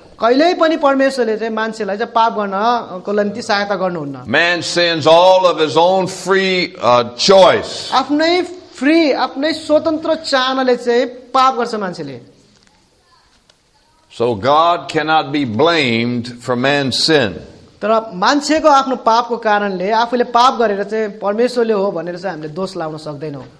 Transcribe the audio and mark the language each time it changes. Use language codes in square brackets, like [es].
[ne] कहिल्यै पनि परमेश्वरले चाहिँ मान्छेलाई चाहिँ पाप गर्नको लागि सहायता गर्नुहुन्न. [en] Man sins all of his own free choice. [ne] आफ्नै फ्री आफ्नै स्वतन्त्र चाहनाले चाहिँ पाप गर्छ मान्छेले. [en] So God cannot be blamed for man's sin. [ne] तर मान्छेको आफ्नो पापको कारणले आफूले पाप गरेर चाहिँ परमेश्वरले हो भनेर चाहिँ हामीले दोष लाउन सक्दैनौ.